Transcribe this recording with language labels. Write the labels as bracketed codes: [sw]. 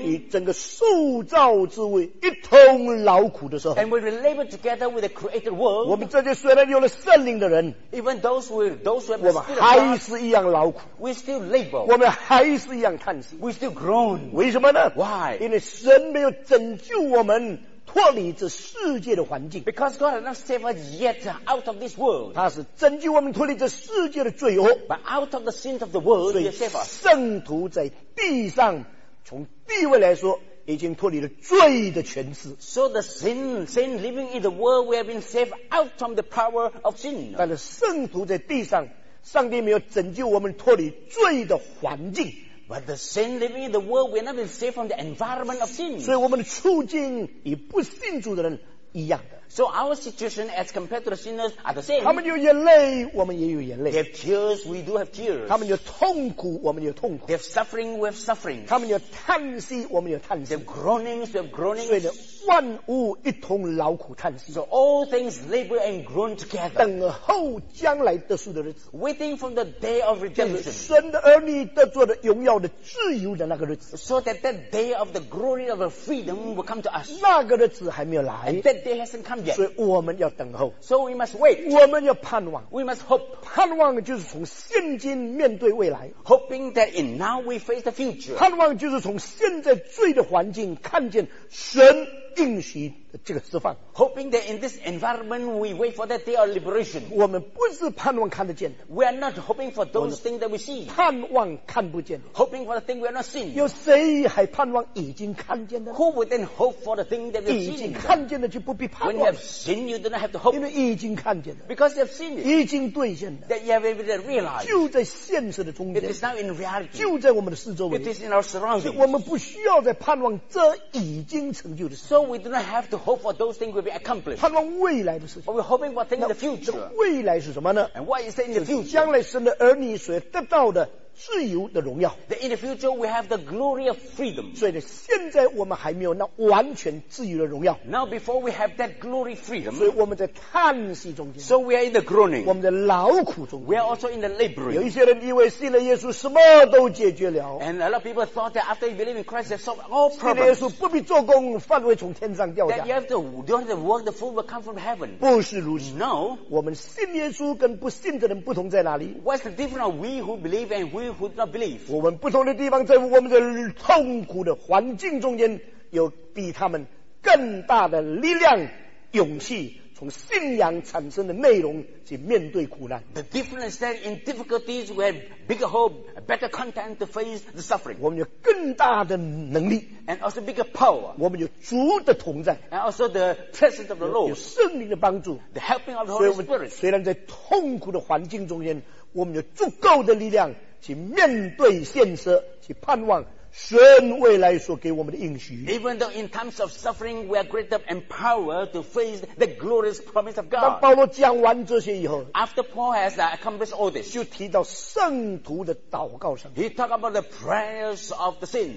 [zh] 与整个受造之位一同劳苦的时候， [en] and we labor together with the created world, [zh] 我们这些虽然有了圣灵的人， [en] even those who have [zh] 我们还是一样劳苦， [en] we still labor, [zh] 我们还是一样叹息， [en] we still groan, [zh] 为什么呢？ [en] Why? [zh] 因为神没有拯救我们脱离这世界的环境。 [en] Because God has not saved us yet out of this world. [zh] 他是拯救我们脱离这世界的罪恶。 [en] But out of the sins of the world, he has saved us. [zh] 圣徒在地上从地位来说已经脱离了罪的权势。 [en] So the sin living in the world, we have been saved out from the power of sin. [zh] 但是圣徒在地上，上帝没有拯救我们脱离罪的环境。 [en] But the sin living in the world, we have not been saved from the environment of sin. [zh] 所以我们的处境与不信主的人一样的。 [en] So our situation as compared to the sinners are the same. [zh] 他们有眼泪，我们也有眼泪。 [en] They have tears, we do have tears. [zh] 他们有痛苦，我们有痛苦。 [en] They have suffering, we have suffering. [zh] 他们有叹息，我们有叹息。 [en] They have groanings, we have groanings. [zh] 所以呢，万物一同劳苦叹息。 [en] So all things labor and groan together. [zh] 等候将来得赎的日子。 [en] Waiting for the day of redemption. [zh] 神的儿女得着的荣耀的自由的那个日子。 [en] So that day of the glory of the freedom will come to us. [zh] 那个日子还没有来。 [en] And that day hasn't come. [zh] 所以我们要等候。 [en] So we must wait. [zh] 我们要盼望。 [en] We must hope. [zh] 盼望就是从现今面对未来。 [en] Hoping that in now we face the future. [zh] 盼望就是从现在罪的环境看见神应许的这个释放。 [en] Hoping that in this environment we wait for that day of liberation. [zh] 我们不是盼望看得见的。 [en] We are not hoping for those things that we see. [zh] 盼望看不见的。 [en] Hoping for the thing we are not seeing. [zh] 有谁还盼望已经看见的？ [en] Who would then hope for the thing that we see? [zh] 已经看见的就不必盼望。 [en] When you have seen, you do not have to hope. [zh] 因为已经看见的。 [en] Because you have seen it. [zh] 已经兑现的。 [en] That you have even realized. [zh] 就在现实的中间。 [en] It is now in reality. [zh] 就在我们的四周围。 [en] It is in our surroundings. [zh] 所以我们不需要再盼望这已经成就的事。 [en] So we do not have to hope for those things will be accomplished. [zh] 盼望未来的事情。 [en] Are we hoping for things in the future? [zh] 未来是什么呢？ [en] And what is in the future? [zh] 将来神的儿女所得到的自由的荣耀。 [en] That in the future we have the glory of freedom. [zh] 所以呢，现在我们还没有那完全自由的荣耀。 [en] Now before we have that glory freedom. [zh] 所以我们在叹息中间。 [en] So we are in the groaning. [zh] 我们在劳苦中间。 [en] We are also in the laboring. [zh] 有一些人以为信了耶稣什么都解决了。 [en] And a lot of people thought that after you believe in Christ, you have solved all problems. [zh] 信了耶稣不必做工，饭会从天上掉下。 [en] That you have to do the work, the food will come from heaven. [zh] 不是如此。 [en] No. [zh] 我们信耶稣跟不信的人不同在哪里？ [en] What's the difference of we who believe and who do not believe? [zh] 我们不同的地方在乎我们的痛苦的环境中间有比他们更大的力量勇气从信仰产生的内容去面对苦难。 [en] The difference that in difficulties we have bigger hope, better content to face the suffering. [zh] 我们有更大的能力。 [en] And also bigger power. [zh] 我们有主的同在。 [en] And also the presence of the Lord. [zh] 有圣灵的帮助。 [en] The helping of the Holy Spirit. [zh] 所以我们虽然在痛苦的环境中间我们有足够的力量去面对现实，去盼望神未来所给我们的应许。 [en] Even though in times of suffering, we are greater empowered to face the glorious promise of God. [zh] 当保罗讲完这些以后 [en] ，After Paul has accomplished all this， [zh] 就提到圣徒的祷告上。 [en] He talked about the prayers of the saints.